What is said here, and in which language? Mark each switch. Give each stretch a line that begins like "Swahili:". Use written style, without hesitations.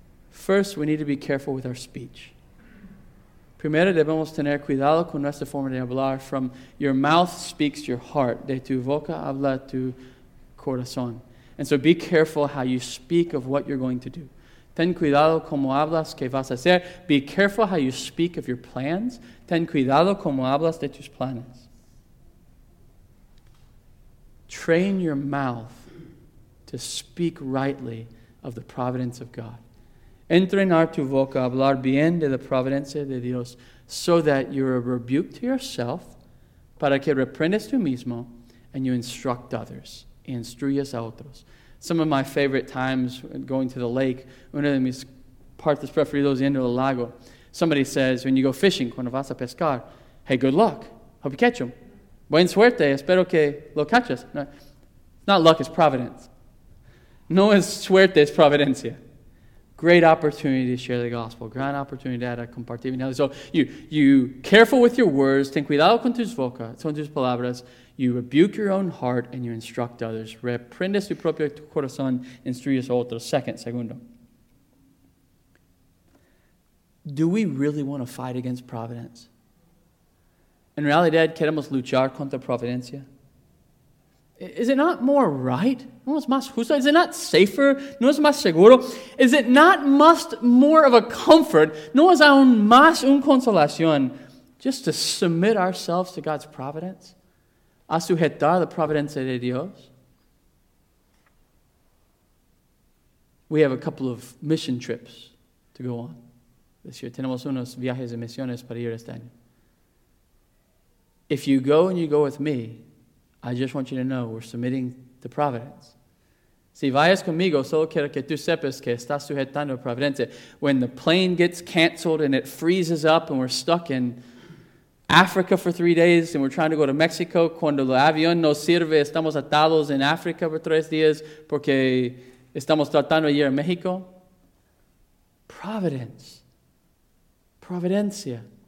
English: First, we need to be careful with our speech.
Spanish: Primero, debemos tener cuidado con nuestra forma de hablar.
English: From your mouth speaks your heart.
Spanish: De tu boca habla tu corazón.
English: And so be careful how you speak of what you're going to do.
Spanish: Ten cuidado como hablas que vas a hacer.
English: Be careful how you speak of your plans.
Spanish: Ten cuidado como hablas de tus planes.
English: Train your mouth to speak rightly of the providence of God.
Spanish: Entrenar tu boca a hablar bien de la providencia de Dios
English: so that you're a rebuke to yourself,
Spanish: para que reprendas tú mismo,
English: and you instruct others.
Spanish: Instruyes a otros.
English: Some of my favorite times going to the lake,
Spanish: una de mis partes preferidos yendo al lago,
English: somebody says, when you go fishing,
Spanish: cuando vas a pescar,
English: hey, good luck. Hope you catch them.
Spanish: Buen suerte. Espero que lo cachas.
English: No, not luck, it's providence.
Spanish: No es suerte, es providencia.
English: Great opportunity to share the gospel.
Spanish: Gran oportunidad a compartir.
English: So you careful with your words.
Spanish: Ten cuidado con tus boca, con tus palabras.
English: You rebuke your own heart and you instruct others.
Spanish: Reprendes tu propio corazón, instruyes otros. Segundo.
English: Do we really want to fight against providence?
Spanish: En realidad, queremos luchar contra providencia.
English: Is it not more right?
Spanish: No es más justo.
English: Is it not safer?
Spanish: No es más seguro.
English: Is it not must more of a comfort?
Spanish: No es aún más un consolación.
English: Just to submit ourselves to God's providence.
Spanish: A sujetar la providencia de Dios.
English: We have a couple of mission trips to go on this year.
Spanish: Tenemos unos viajes de misiones para ir este año.
English: If you go and you go with me, I just want you to know we're submitting to providence.
Spanish: Si vayas conmigo, solo quiero que tú sepas que estás sujetando a providencia.
English: When the plane gets canceled and it freezes up and we're stuck in Africa for 3 days and we're trying to go to Mexico,
Spanish: cuando el avión no sirve, estamos atados en África por 3 días porque estamos tratando de ir a México.
English: Providence.
Spanish: Providencia.